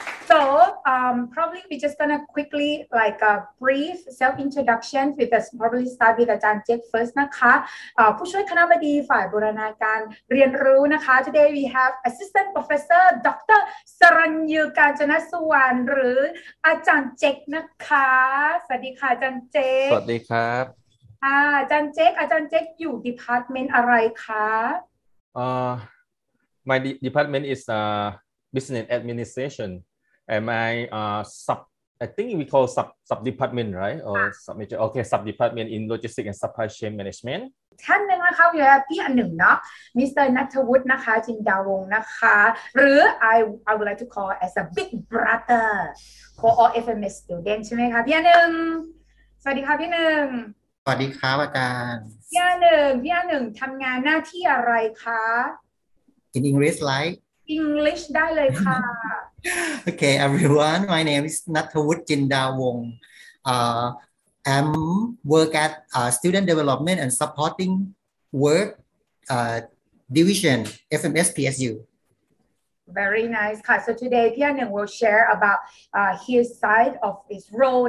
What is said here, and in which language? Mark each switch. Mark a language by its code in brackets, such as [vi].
[en] So probably we're just gonna quickly like a brief self introduction with us probably start with อาจารย์เจค first นะคะผู้ช่วยคณบดีฝ่ายบูรณาการเรียนรู้นะคะ Today we have assistant professor Dr. [th] สรัญญูกาญจนสุวรรณหรืออาจารย์เจคนะคะสวัสดีค่ะอาจารย์เจค สวัสดีครับ อาจารย์เจคอาจารย์เจคอยู่ department อะไรคะ [en] My department is business administrationAm I sub? I think we call sub department, right? Or sub major? Okay, sub department in logistics and supply chain management. [th] ท่านหนึ่งนะคะอยู่ที่อันหนึ่งเนาะ Mr. นัทวุฒินะคะจินดาวงนะคะหรือ I would like to call as a big brother for all FMS students ใช่ไหมคะพี่อันหนึ่งสวัสดีค่ะพี่หนึ่ง สวัสดีครับอาจารย์พี่อันหนึ่งพี่อันหนึ่งทำงานหน้าที่อะไรคะ [en] In English right? [th] English ได้เลยค่ะ [en] Okay, everyone. My name is Natthawut Jindawong. I'm work at student development and supporting work division FMS PSU. Very nice. So today, Pia Neng will share about his side of his role.